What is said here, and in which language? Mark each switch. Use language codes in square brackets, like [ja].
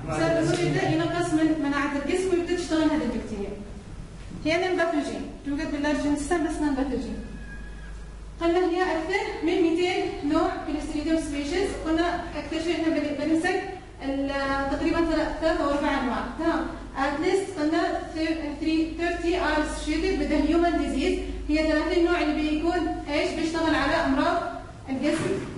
[ar] بسبب إنه يبدأ ينقص من مناعة الجسم ويبدأ تشتغل هذه البكتيريا. هي ننباثوجين توجد باللارج انتستاين بس ننباثوجين. قلنا هي أكثر من 200 نوع كلوستريديوم سبيشيز قلنا أكثر شيء إحنا بنمسك تقريبا ثلاث أو أربع أنواع تمام. [en] At least 30 are associated with the human disease. [ar] هي 30 نوع اللي بيكون ايش بيشتغل على امراض الجسم.